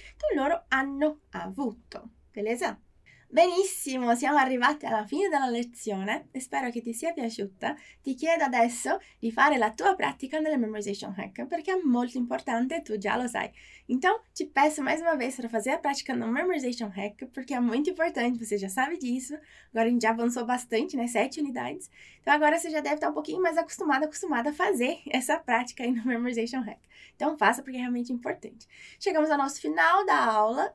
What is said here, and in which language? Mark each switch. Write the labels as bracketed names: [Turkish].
[Italian] Então loro hanno avuto. Beleza? Benissimo, siamo arrivati alla fine della lezione. Spero che ti sia piaciuta. Ti chiedo adesso di fare la tua pratica nella [English] memorization hack, [Italian] perché è molto importante, tu già lo sai. [Portuguese] Então, ti peço mais uma vez para fazer a pratica no memorization hack, [Italian] perché è molto importante, [Portuguese] você já sabe disso. Agora a gente já avançou bastante, né? 7 unidades. Então, agora você já deve estar um pouquinho mais acostumada a fazer essa prática aí no memorization hack. Então, faça porque é realmente importante. Chegamos ao nosso final da aula.